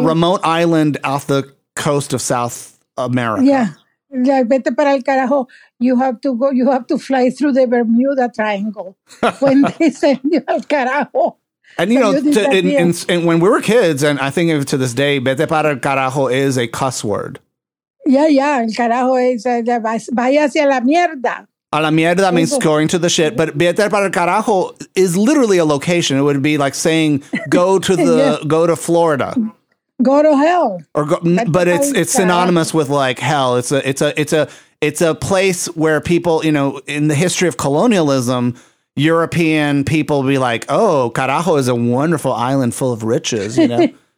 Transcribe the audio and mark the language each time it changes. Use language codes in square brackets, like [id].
[en] remote island off the coast of South America. Yeah, like [es] vete para el carajo. [en] You have to go. You have to fly through the Bermuda Triangle when they send you [es] al carajo. [en] And, you know, when we were kids, and I think to this day, [es] vete para el carajo [en] is a cuss word. [es] Yeah, el carajo is, vaya hacia la mierda. A la mierda [en] means going to the shit, but [es] vete para el carajo [en] is literally a location. It would be like saying, go to Florida. Go to hell. But it's synonymous with like hell. It's a place where people, you know, in the history of colonialism, European people be like, oh, carajo is a wonderful island full of riches, you know.